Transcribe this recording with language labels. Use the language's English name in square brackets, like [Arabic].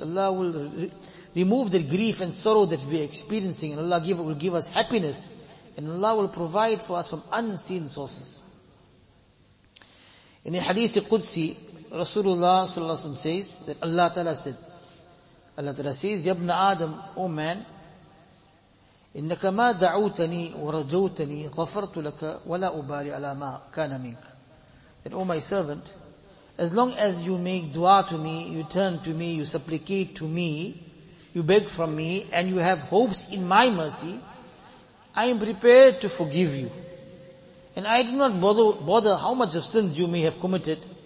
[English] Allah will remove the grief and sorrow that we are experiencing, and Allah will give us happiness, and Allah will provide for us from unseen sources. In the hadith of Qudsi, Rasulullah sallallahu alaihi wasallam says that Allah Ta'ala says, "Ya ibn Adam, O man." [Arabic] إنك ما دعوتني ورجوتني غفرت لك ولا أبالي على ما كان منك. [English] And oh my servant, as long as you make dua to me, you turn to me, you supplicate to me, you beg from me, and you have hopes in my mercy, I am prepared to forgive you. And I do not bother how much of sins you may have committed.